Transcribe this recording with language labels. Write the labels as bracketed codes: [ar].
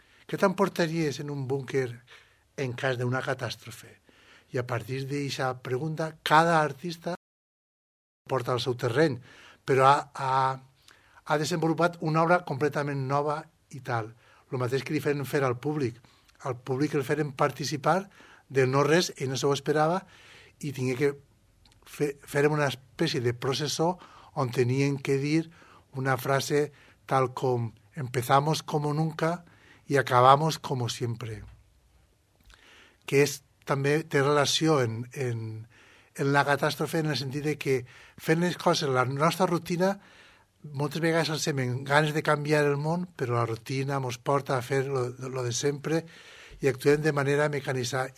[ca] Què t'emportaries en un búnquer en cas d'una catàstrofe? I a partir d'aquesta pregunta, cada artista porta al seu terreny, però ha desenvolupat una obra completament nova i tal. El mateix que li feren fer al públic. Al públic el feren participar de no res, ell no se ho esperava, i tingué que fer una espècie de processó on tenien que dir una frase tal com [es] empezamos como nunca y acabamos como siempre. [ca] Que és també té relació en la catàstrofe en el sentit de que fent les coses, la nostra rutina, moltes vegades ens semblen ganes de canviar el món, però la rutina ens porta a fer lo de sempre i actuem de manera mecanitzada.